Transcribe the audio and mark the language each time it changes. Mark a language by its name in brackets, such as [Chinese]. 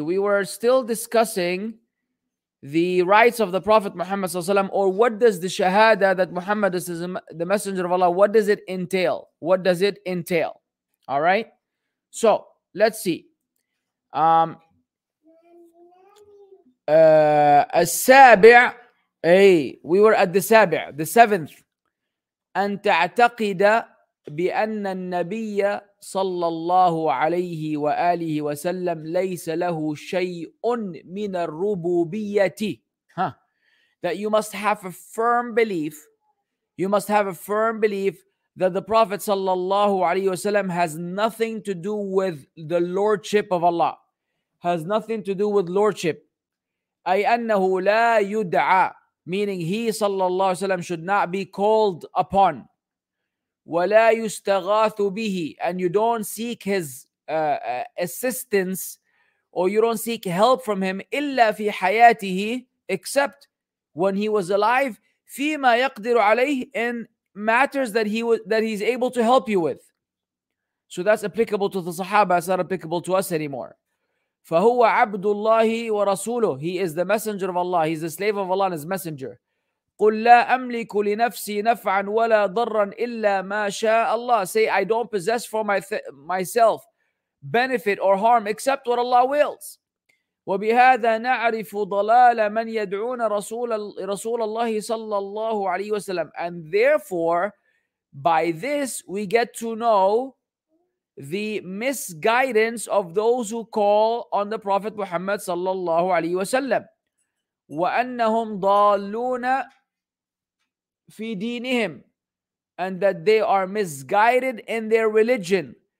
[English] We were still discussing the rights of the Prophet Muhammad Sallallahu Alaihi Wasallam, or what does the shahada that Muhammad is the Messenger of Allah, what does it entail? What does it entail? All right? So, let's see. السابع Hey, we were at the sabi', the seventh. [Arabic] أن تعتقد بأن النبي صلى الله عليه وآله وسلم ليس له شيء من الربوبية. [English] Huh. That you must have a firm belief. You must have a firm belief that the Prophet صلى الله عليه وسلم has nothing to do with the lordship of Allah. Has nothing to do with lordship. [Arabic] أي أنه لا يدعى. [English] Meaning he, sallallahu alayhi wa sallam, should not be called upon. [Arabic] وَلَا يُسْتَغَاثُ بِهِ [English] And you don't seek his assistance, or you don't seek help from him, [Arabic] إِلَّا فِي حَيَاتِهِ [English] Except when he was alive, [Arabic] فِيمَا يَقْدِرُ عَلَيْهِ [English] In matters that he's able to help you with. So that's applicable to the Sahaba, it's not applicable to us anymore. [Arabic] فهو عبد الله ورسوله. [English] He is the messenger of Allah. He's the slave of Allah and his messenger. [Arabic] قل لا أملك لنفسي نفعا ولا ضرا إلا ما شاء الله. [English] Say, I don't possess for myself benefit or harm except what Allah wills. [Arabic] وبهذا نعرف ضلال من يدعون رسول الله صلى الله عليه وسلم. [English] And therefore, by this we get to know the misguidance of those who call on the Prophet Muhammad sallallahu alaihi wasallam, [Arabic] وَأَنَّهُمْ ضَالُّونَ فِي دِينِهِمْ [English] And that they are misguided in their religion.